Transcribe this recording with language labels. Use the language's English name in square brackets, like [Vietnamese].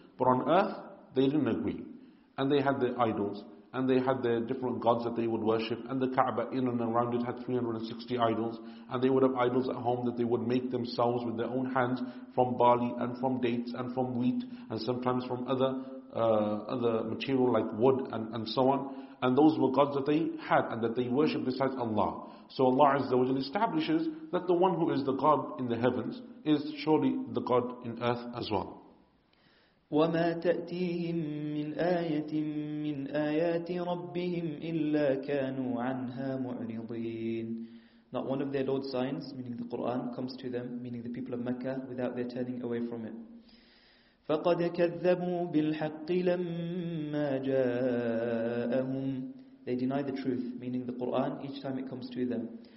[English] But on earth, they didn't agree. And they had their idols, and they had their different gods that they would worship, and the Kaaba in and around it had 360 idols, and they would have idols at home that they would make themselves with their own hands from barley and from dates and from wheat and sometimes from other material like wood and so on. And those were gods that they had and that they worshipped besides Allah. So Allah Azza wa Jalla establishes that the one who is the God in the heavens is surely the God in earth as well. [Arabic] وما تأتيهم من آية من آيات ربهم إلا كانوا عنها معرضين. [English] Not one of their Lord's signs, meaning the Quran, comes to them, meaning the people of Mecca, without their turning away from it. [Arabic] فَقَدْ كَذَّبُوا بِالْحَقِّ لَمَّا جَاءَهُمْ. [English] They deny the truth, meaning the Quran, each time it comes to them.